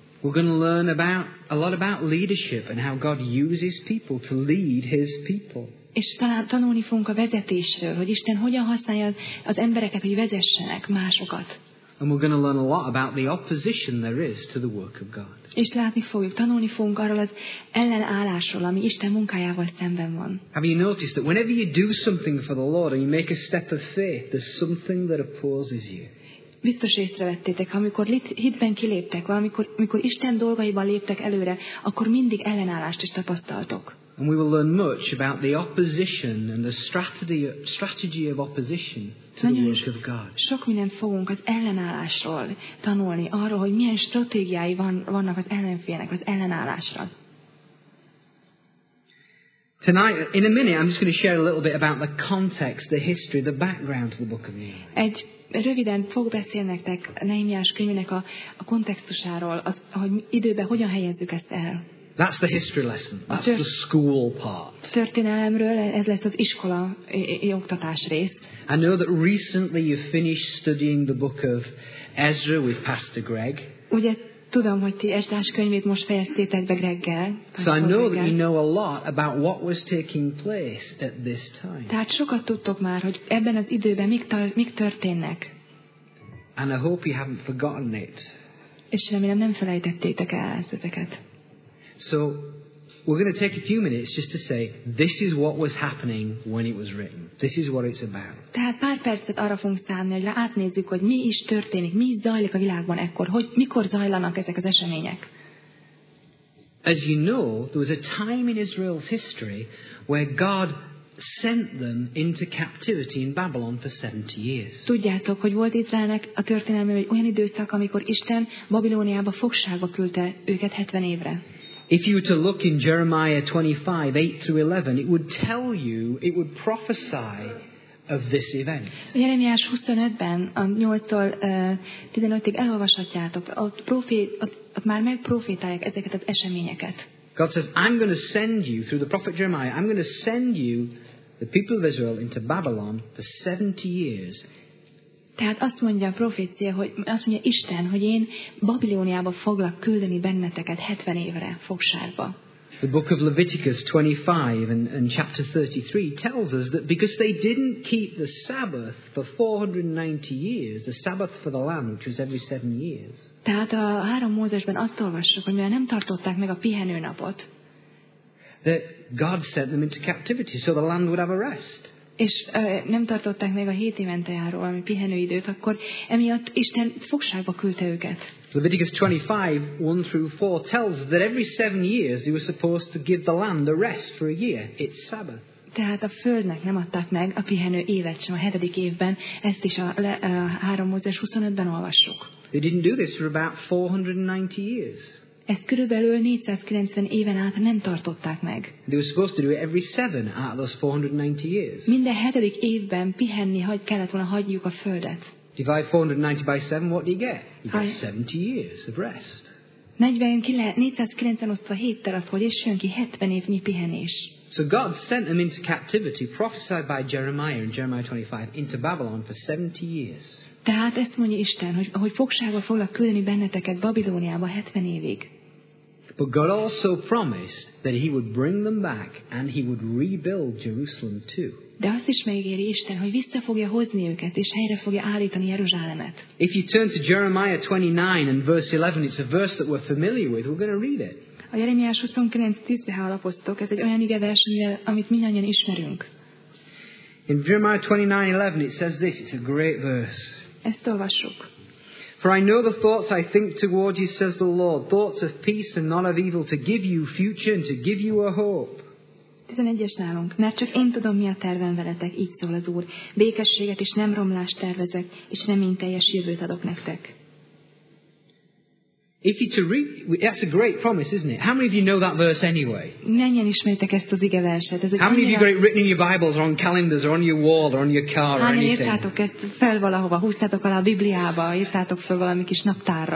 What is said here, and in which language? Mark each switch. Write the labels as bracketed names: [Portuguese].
[English] We're going to learn about a lot about leadership and how God uses people to lead his people. [Hungarian] És talán tanulni fogunk a vezetésről, hogy Isten hogyan használja az embereket, hogy vezessenek másokat. [English] And we're going to learn a lot about the opposition there is to the work of God. [Hungarian] És látni fogjuk, tanulni fogunk arról az ellenállásról, ami Isten munkájával szemben van. [English] Have you noticed that whenever you do something for the Lord and you make a step of faith, there's something that opposes you? [Hungarian] Biztos észrevettétek, amikor hitben kiléptek, valamikor, amikor Isten dolgaiban léptek előre, akkor mindig ellenállást is tapasztaltok. [English] And we will learn much about the opposition and the strategy of opposition. [Hungarian] Sok mindent fogunk az ellenállásról tanulni, arról, hogy milyen stratégiái vannak az ellenfélnek az ellenállásra. [English] Tonight, in a minute, I'm just going to share a little bit about the context, the history, the background to the book of Nehemiah. [Hungarian] Egy röviden fog beszélni nektek Nehemiás könyvének a kontextusáról, az, hogy időben hogyan helyezzük ezt el. [English] That's the history lesson. That's the school part. [Hungarian] Történelemről ez lesz az iskola oktatás rész. [English] I know that recently you finished studying the book of Ezra with Pastor Greg. [Hungarian] Ugye tudom, hogy ti Ezrás könyvét most fejeztétek be Greggel. [English] So I know that you know a lot about what was taking place at this time. [Hungarian] Tehát sokat tudtok már, hogy ebben az időben mik történnek. [English] And I hope you haven't forgotten it. [Hungarian] És remélem nem felejtettétek el ezeket. [English] So we're going to take a few minutes just to say this is what was happening when it was written. This is what it's about. [Hungarian] Tehát pár percet arra fogunk szánni, hogy átnézzük, hogy mi is történik, mi zajlik a világban ekkor, hogy mikor zajlanak ezek az események. [English] As you know, there was a time in Israel's history where God sent them into captivity in Babylon for 70 years. [Hungarian] Tudjátok, hogy volt Izraelnek a történelme egy olyan időszak, amikor Isten Babilóniába fogságba küldte őket 70 évre. [English] If you were to look in Jeremiah 25, 8 through 11, it would tell you, it would prophesy of this event. [Hungarian] Jeremiás 25-ben, a 8-tól 15-ig elolvashatjátok, ott már megprofétálják ezeket az eseményeket. [English] God says, I'm going to send you, through the prophet Jeremiah, I'm going to send you, the people of Israel, into Babylon for 70 years. [Hungarian] Tehát azt mondja a profécia, hogy azt mondja Isten, hogy én Babilóniába foglak küldeni benneteket 70 évre fogságba. [English] The book of Leviticus 25 and chapter 33 tells us that because they didn't keep the Sabbath for 490 years, the Sabbath for the lamb, which was every 7 years. [Hungarian] Tehát a három Mózesben azt olvassuk, hogy mivel nem tartották meg a pihenőnapot, [English] that God sent them into captivity so the land would have a rest. [Hungarian] És nem tartották meg a hét évente járó, ami pihenőidőt, akkor emiatt Isten fogságba küldte őket. [English] Leviticus 25, 1 through 4 tells that every 7 years you were supposed to give the land a rest for a year. It's Sabbath. [Hungarian] Tehát a földnek nem adták meg a pihenő évet sem a hetedik évben. Ezt is a 3 Mózes 25-ben olvassuk. [English] They didn't do this for about 490 years. [Hungarian] Ezt körülbelül 490 éven át nem tartották meg. [English] They were supposed to do it every 7 out of those 490 years. [Hungarian] Minden hetedik évben pihenni kellett volna hagyjuk a földet. [English] Divide 490 by 7, what do you get? You get 70 years of rest. [Hungarian] 490 osztva 7-tel azt, hogy jön ki 70 évnyi pihenés. [English] So God sent them into captivity, prophesied by Jeremiah in Jeremiah 25, into Babylon for 70 years. [Hungarian] Tehát ezt mondja Isten, hogy fogságba foglak küldeni benneteket Babilóniába 70 évig. [English] But God also promised that he would bring them back and he would rebuild Jerusalem too. [Hungarian] De azt is megígéri Isten, hogy vissza fogja hozni őket, és helyre fogja állítani Jeruzsálemet. [English] If you turn to Jeremiah 29 and verse 11, it's a verse that we're familiar with. We're going to read it. [Hungarian] A Jeremiás 29:10-re alapoztok, ez egy olyan igevers, amit mindannyian ismerünk. [English] In Jeremiah 29:11 it says this, it's a great verse. [Hungarian] Ezt olvassuk. [English] For I know the thoughts I think toward you, says the Lord, thoughts of peace and not of evil, to give you future and to give you a hope. [Hungarian] 11-es nálunk, mert csak én tudom, mi a tervem veletek, így szól az Úr. Békességet és nem romlást tervezek, és nem én teljes jövőt adok nektek. [English] If you to read, that's a great promise, isn't it? How many of you know that verse anyway? [Hungarian] Mennyien ismeritek ezt az igeverset? [English] How many of you got it written in your Bibles or on calendars or on your wall or on your car or anything? [Hungarian] Hányan írtátok ezt fel valahova, húztátok alá a Bibliába, írtátok fel valami kis naptárra?